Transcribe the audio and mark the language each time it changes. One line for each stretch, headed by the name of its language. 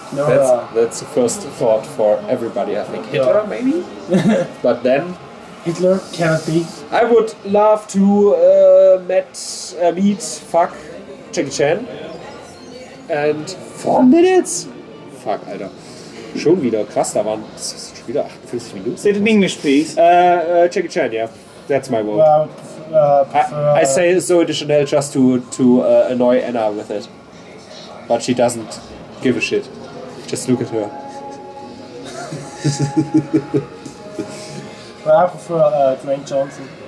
English: No, that's the first thought for everybody, I think. Hitler, no. Maybe? But then... Hitler cannot be. I would love to meet Jackie Chan. And 4 minutes?
German: fuck, Alter. Schon wieder, krass, da waren schon wieder 48 Minuten. Seht ihr den English Speak?
English: Jackie Chan, yeah. That's my word. I say Zooey Deschanel just to annoy Anna with it. But she doesn't give a shit. Just look at her. Well, I prefer Dwayne Johnson.